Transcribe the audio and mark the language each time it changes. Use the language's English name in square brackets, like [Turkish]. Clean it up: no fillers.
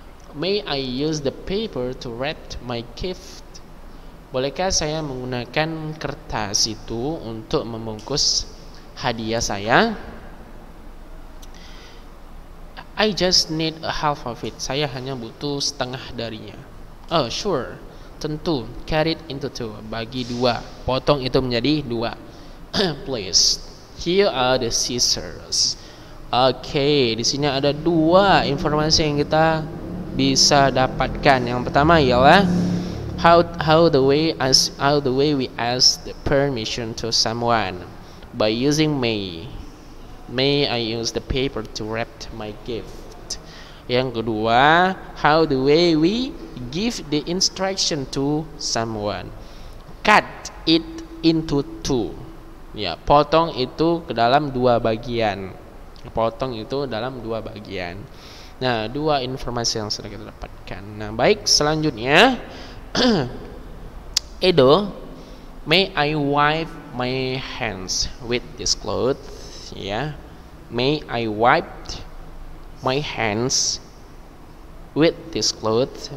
[English] May I use the paper to wrap my gift? [Indonesian] Bolehkah saya menggunakan kertas itu untuk membungkus hadiah saya? [English] I just need a half of it. [Indonesian] Saya hanya butuh setengah darinya. [English] Oh, sure. [Indonesian] Tentu, [English] cut it into two. [Indonesian] Bagi dua. Potong itu menjadi dua. [English] Please, here are the scissors. [Indonesian] Okay, di sini ada dua informasi yang kita bisa dapatkan. Yang pertama ialah [English] how the way we ask the permission to someone by using may. May I use the paper to wrap my gift? [Indonesian] Yang kedua, [English] how the way we give the instruction to someone. Cut it into two. [Indonesian] Ya, potong itu ke dalam dua bagian. Potong itu dalam dua bagian. Nah, dua informasi yang sudah kita dapatkan. Nah, baik, selanjutnya. [English] Edo, may I wipe my hands with this cloth? Ya. May I wipe my hands with this cloth?